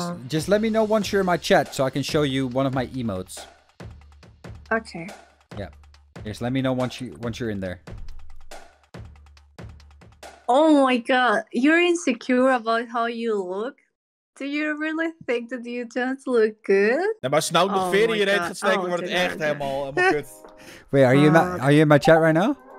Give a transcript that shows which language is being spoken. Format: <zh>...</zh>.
<en>Just let me know once you're in my chat so I can show you one of my emotes. Okay. Yep. Just let me know once you're in there. Oh my god, you're insecure about how you look. Do you really think that you don't look good?</en> <nl>Nee, maar als je nou nog verder je reet gaat steken, wordt het echt helemaal kut.</nl> <en>Wait, are you in my chat right now?</en>